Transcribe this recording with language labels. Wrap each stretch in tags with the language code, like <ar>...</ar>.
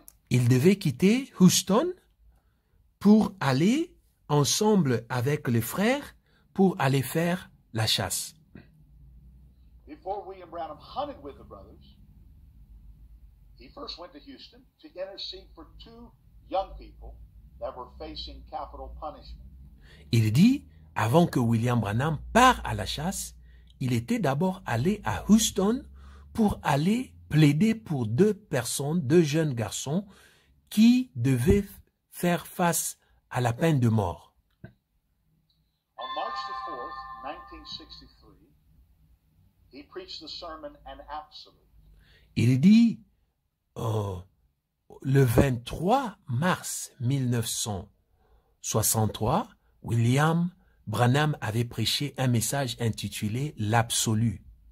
<fr>Il devait quitter Houston pour aller ensemble avec les frères pour aller faire la chasse.</fr> <en>Before William Branham hunted with the brothers, he first went to Houston to intercede for two young people that were facing capital punishment.</en> <fr>Il dit, avant que William Branham part à la chasse, il était d'abord allé à Houston pour aller plaider pour deux personnes, deux jeunes garçons, qui devaient faire face à la peine de mort.</fr> <en>On March the 4th, 1963, he preached the sermon An Absolute.</en> <fr>Il dit, le 23 mars 1963, William Branham avait prêché un message intitulé L'Absolu.</fr>